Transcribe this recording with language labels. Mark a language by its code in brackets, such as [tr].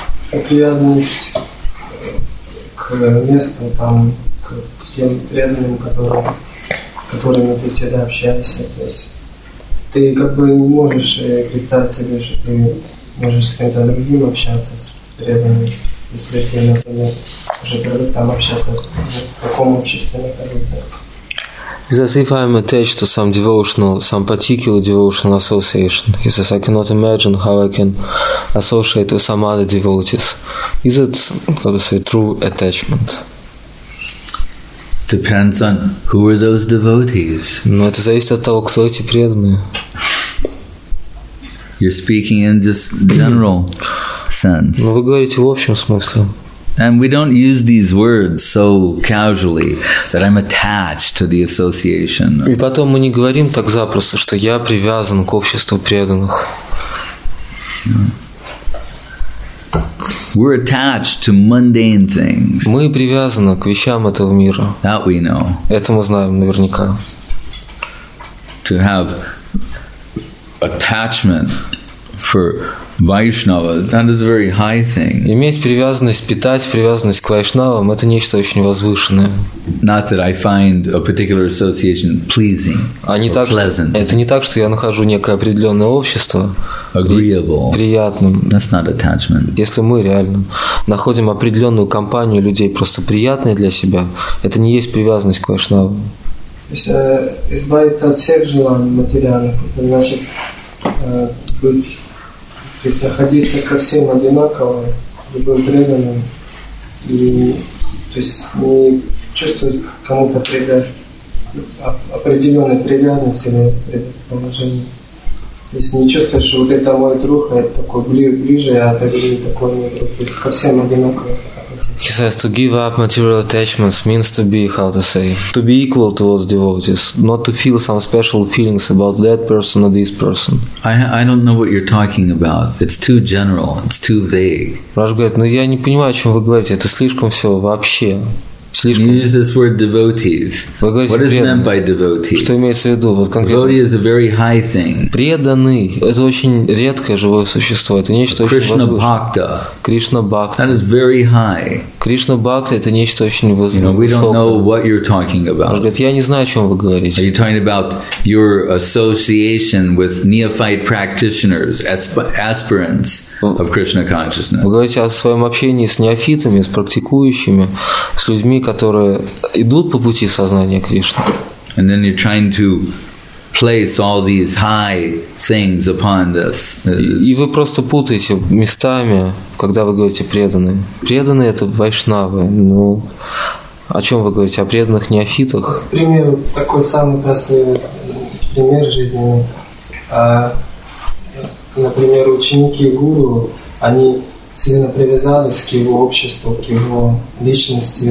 [ru] Привязанность к месту, там, к тем преданным, которые, с которыми ты всегда общаешься. То есть ты как бы не можешь представить себе, что ты можешь с кем-то другим общаться, с преданными, если ты, например, уже там общаться с, в таком обществе находиться. [en] Because if I'm attached to some devotional, some particular devotional association, he says, I cannot imagine how I can associate with some other devotees. Is it, how to say, true attachment? Depends on who are those devotees. [ru] Но это зависит от того, кто эти преданные. [en] You're speaking in just general sense. [ru] Но вы говорите в общем смысле. [en] And we don't use these words so casually that I'm attached to the association. [ru] И потом мы не говорим так запросто, что я привязан к обществу преданных. [en] We're attached to mundane things. [ru] Мы привязаны к вещам этого мира. [en] That we know. [ru] Это мы знаем наверняка. [en] To have attachment for Vaishnava, that is a very high thing. [ru] Иметь привязанность, питать привязанность к вайшнавам – это нечто очень возвышенное. [en] Not that I find a particular association pleasing or pleasant. [ru] Это не так, что я нахожу некое определенное общество приятным. [en] That's not attachment. [ru] Если мы реально находим определенную компанию людей просто приятной для себя, это не есть привязанность к вайшнавам. То есть избавиться от всех желаний материальных, это значит быть… То есть находиться ко всем одинаково, любым преданным, и то есть не чувствовать кому-то определенной привязанности или предрасположения. То есть не чувствовать, что вот это мой друг, а это такой ближе, а это ближе такой мой друг. То есть ко всем одинаково. [en] He says to give up material attachments means to be, how to say, to be equal towards devotees, not to feel some special feelings about that person or this person. I don't know what you're talking about. It's too general. It's too vague. [ru] Раш говорит, ну я не понимаю, о чем вы говорите. Это слишком все вообще. Слишком. [en] You use this word devotees. [ru] Вы говорите, [en] what [ru] преданные. [en] Is meant by devotees? [ru] Что имеется в виду? Вот конкретно. [en] Devotee is a very high thing. [ru] Преданный. Это очень редкое живое существо. Это нечто очень возвышенное. [sa] Bhakta. [ru] Кришна Бхакта. [en] That is very high. [ru] Кришна Бхакта это нечто очень высокое. [en] You know, we don't know what you're talking about. [ru] Говорит, я не знаю, о чем вы говорите. [en] Are you talking about your association with neophyte practitioners, aspirants of Krishna consciousness? [ru] Вы говорите о своем общении с неофитами, с практикующими, с людьми. Которые идут по пути сознания Кришны. [en] And then you're trying to place all these high things upon this. [ru] И вы просто путаете местами, когда вы говорите преданные. Преданные это вайшнавы. Ну, о чем вы говорите? О преданных неофитах? К примеру, такой самый простой пример жизни. Например, ученики гуру, они сильно привязались к его обществу, к его личности.